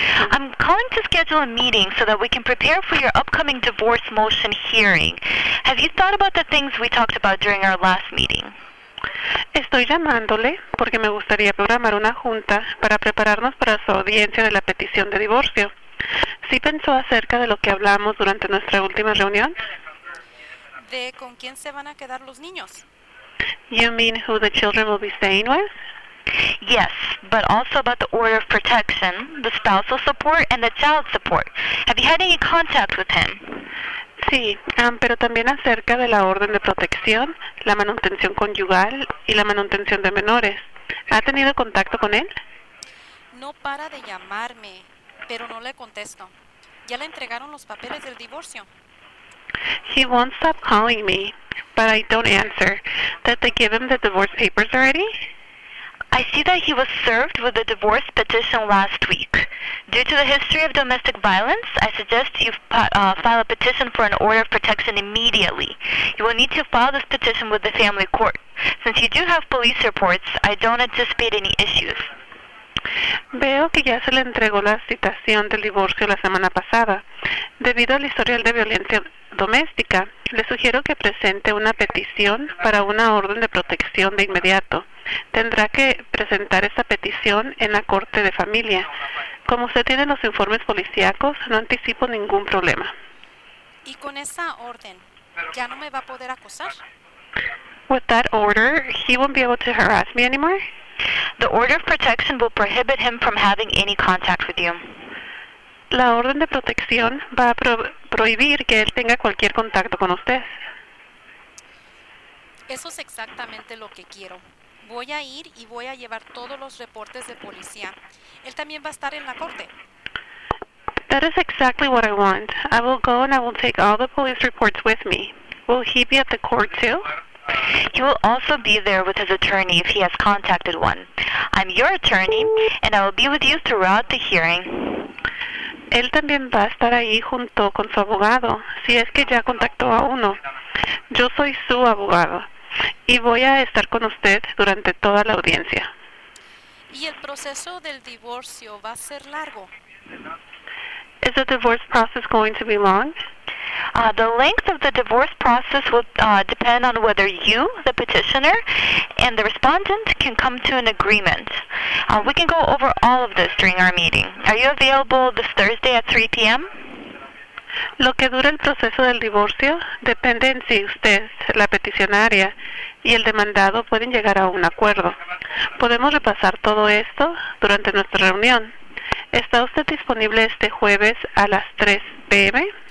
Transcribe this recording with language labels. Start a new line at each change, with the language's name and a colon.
English: I'm calling to schedule a meeting so that we can prepare for your upcoming divorce motion hearing. Have you thought about the things we talked about during our last meeting?
Spanish: Estoy llamándole porque me gustaría programar una junta para prepararnos para su audiencia de la petición de divorcio. ¿Sí pensó acerca de lo que hablamos durante nuestra última reunión? ¿De con quién se van a quedar los niños?
English: You mean who the children will be staying with? Yes, but also about the order of protection, the spousal support, and the child support. Have you had any contact with him?
Spanish: Sí, pero también acerca de la orden de protección, la manutención conyugal y la manutención de menores. ¿Ha tenido contacto con él? No para de llamarme, pero no le contesto. Ya le entregaron los papeles del divorcio.
English: He won't stop calling me, but I don't answer. Did they give him the divorce papers already? I see that he was served with a divorce petition last week. Due to the history of domestic violence, I suggest you file a petition for an order of protection immediately. You will need to file this petition with the family court. Since you do have police reports, I don't anticipate any issues.
Spanish: Veo que ya se le entregó la citación del divorcio la semana pasada. Debido al historial de violencia doméstica, le sugiero que presente una petición para una orden de protección de inmediato. Tendrá que presentar esa petición en la Corte de Familia. Como usted tiene los informes policíacos, no anticipo ningún problema. ¿Y con esa orden, ya no me va a poder acosar?
English: With that order, he won't be able to harass me anymore. The order of protection will prohibit him from having any contact with you.
Spanish: La orden de protección va a prohibir que él tenga cualquier contacto con usted. Eso es exactamente lo que quiero. Voy a ir y voy a llevar todos los reportes de policía. Él también va a estar en la corte.
English: That is exactly what I want. I will go and I will take all the police reports with me. Will he be at the court too? He will also be there with his attorney if he has contacted one. I'm your attorney, and I will be with you throughout the hearing.
Spanish: Él también va a estar ahí junto con su abogado, si es que ya contactó a uno. Yo soy su abogado, y voy a estar con usted durante toda la audiencia. ¿Y el proceso del divorcio va a ser largo?
English: Is the divorce process going to be long? The length of the divorce process will depend on whether you, the petitioner, and the respondent can come to an agreement. We can go over all of this during our meeting. Are you available this Thursday at 3 p.m.?
Spanish: Lo que dura el proceso del divorcio depende en si usted, la peticionaria, y el demandado pueden llegar a un acuerdo. Podemos repasar todo esto durante nuestra reunión. ¿Está usted disponible este jueves a las 3 p.m.?